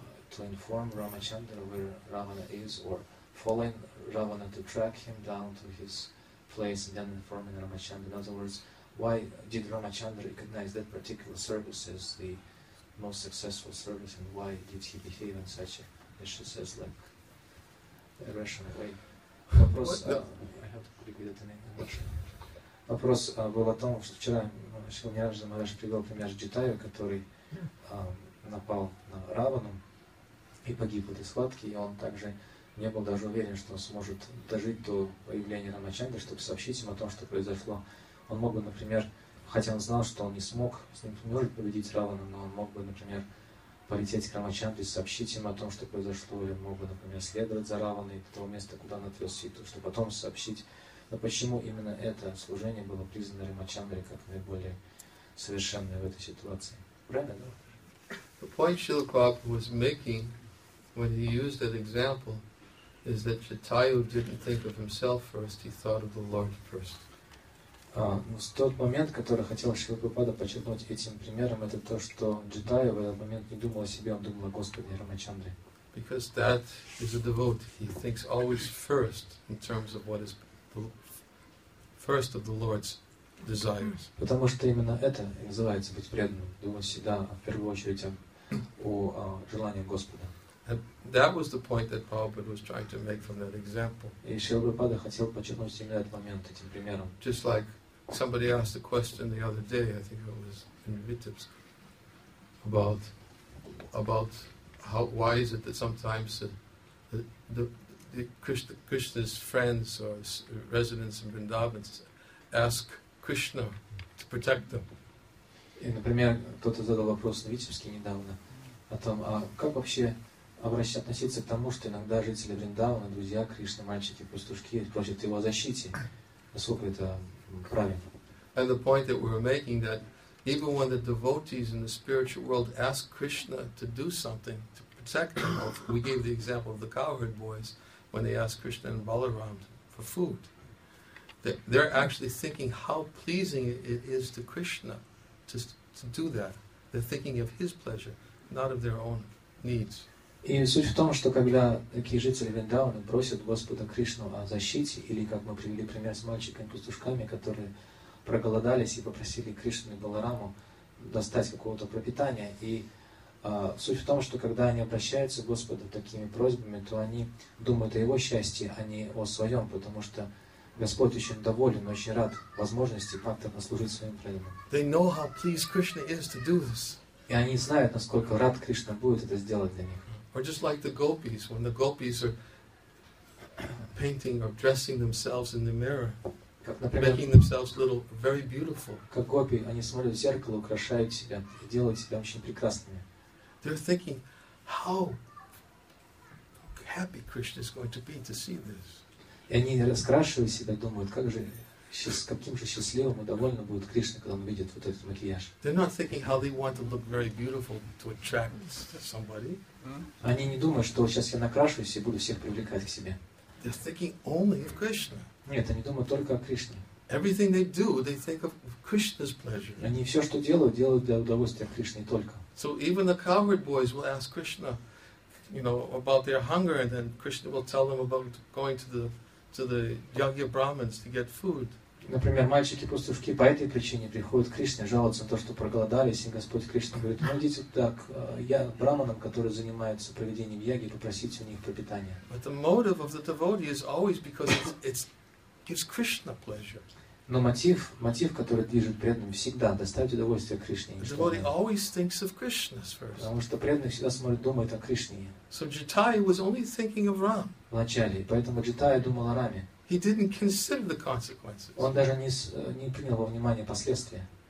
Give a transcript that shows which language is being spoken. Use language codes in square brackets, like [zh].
[en] to inform Ramachandra where Ravana is, or following Ravana to track him down to his place and then informing Ramachandra. In other words, why did Ramachandra recognize that particular service as the most successful service, and why did he behave in such a, as she says, like, irrational way? [ru] Вопрос, [en] I have to repeat it in English. [ru] Вопрос был о том, что вчера Шрила Нираджа Махарадж привел пример Джитаю, который напал на Равану и погиб в этой схватке, и он также не был даже уверен, что он сможет дожить до появления Рамачандры, чтобы сообщить ему о том, что произошло. Он мог бы, например, хотя он знал, что он не смог, с ним не может победить Равана, но он мог бы, например, полететь к Рамачандре и сообщить ему о том, что произошло, и он мог бы, например, следовать за Раваной до того места, куда он отвез Ситу, чтобы потом сообщить. Но почему именно это служение было признано Рамачандрой как наиболее совершенное в этой ситуации? Правильно? [en] The point Srila Prabhupada was making when he used that example is that Jatayu didn't think of himself first, he thought of the Lord first. [ru] Тот момент, который хотел Шрила Прабхупада подчеркнуть этим примером, это то, что Джитайя в этот момент не думал о себе, он думал о Господе Рамачандре. [en] Because that is a devotee. He thinks always first in terms of what is first of the Lord's desires. [ru] Потому что именно это называется быть преданным, думать всегда в первую очередь о желании Господа. [en] And that was the point that Prabhupada was trying to make from that example. [ru] И Шрила Прабхупада хотел подчеркнуть именно этот момент этим примером. [en] Just like somebody asked a question the other day, I think it was in Vitebsk, about how, why is it that sometimes the Krishna's friends or residents in Vrindavan ask Krishna to protect them. [ru] И, например, кто-то задал вопрос на Витебске недавно о том, а как вообще относиться к тому, что иногда жители Вриндавана, друзья Кришны, мальчики, пастушки, просят его о защите, насколько это правильно. [en] And the point that we were making that even when the devotees in the spiritual world ask Krishna to do something to protect them, we gave the example of the cowherd boys when they ask Krishna and Balaram for food. They're actually thinking how pleasing it is to Krishna to do that. They're thinking of his pleasure, not of their own needs. [ru] И суть в том, что когда такие жители Вриндавана просят Господа Кришну о защите, или как мы привели пример с мальчиками-пастушками, которые проголодались и попросили Кришну и Балараму достать какого-то пропитания. И суть в том, что когда они обращаются к Господу такими просьбами, то они думают о его счастье, а не о своем, потому что Господь очень доволен, очень рад возможности как-то послужить своим преданным. [en] They know how pleased Krishna is to do this. [ru] И они знают, насколько рад Кришна будет это сделать для них. [en] Or just like the gopis, when the gopis are painting or dressing themselves in the mirror, making themselves little, very beautiful. [ru] Как гопи, они смотрят в зеркало, украшают себя, делают себя очень прекрасными. [en] They're thinking, how happy Krishna is going to be to see this. [ru] И они раскрашивают себя, думают, как же, с каким же счастливым и довольным будет Кришна, когда он видит вот этот макияж. [en] They're not thinking how they want to look very beautiful to attract somebody. [ru] Они не думают, что сейчас я накрашусь и буду всех привлекать к себе. [en] They're thinking only of Krishna. [ru] Нет, они думают только о Кришне. [en] Everything they do, they think of Krishna's pleasure. [ru] Они все, что делают, делают для удовольствия Кришны только. [en] So even the cowherd boys will ask Krishna, you know, about their hunger, and then Krishna will tell them about going to the yogi brahmins to get food. [ru] Например, мальчики-пастушки по этой причине приходят к Кришне, жалуются на то, что проголодались, и Господь Кришна говорит, ну идите так, я браманам, которые занимаются проведением яги, попросите у них пропитание. [en] But the motive of the devotee is always because it gives Krishna pleasure. [ru] Но мотив, который движет преданным, всегда доставить удовольствие Кришне. [en] The devotee always thinks of Krishna first. [ru] Потому что преданный всегда смотрит, думает о Кришне. [en] So Jitaya was only thinking of Ram. [ru] Вначале, поэтому Jitaya думал о Раме. [en] He didn't consider the consequences. [ru] Он даже не принял во внимание последствия.